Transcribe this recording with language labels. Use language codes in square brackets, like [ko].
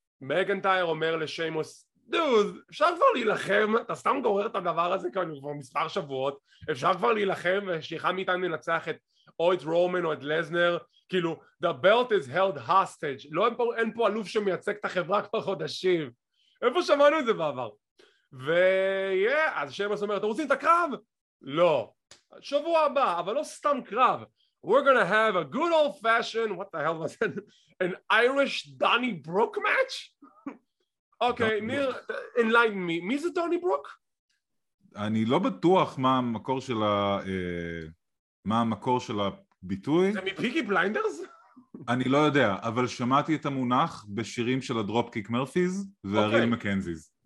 [he] מקנטייר אומר לשיימוס, דוד, אפשר כבר להילחם, אתה סתם גורר את הדבר הזה כאן כבר מספר שבועות, אפשר כבר להילחם ושאחד מאיתנו ינצח את או את רומן או את לזנר, כאילו, [en] the belt is held hostage, [he] לא, אין פה אלוף שמייצג את החברה כבר חודשים, איפה שמענו את זה בעבר? ויהיה, אז שיימוס אומר, אתם רוצים את הקרב? לא, שבוע הבא, אבל לא סתם קרב, [en] we're gonna have a good old fashioned, what the hell was it, an Irish Donny Brook match? [he] אוקיי, ניר, [en] enlighten me, [he] מי זה דוני ברוק? אני לא בטוח מה המקור של ה... מה המקור של הביטוי. זה מפיקי בליינדרס? אני לא יודע, אבל שמעתי את המונח בשירים של הדרופקיק מרפיז והריל מקנזיז.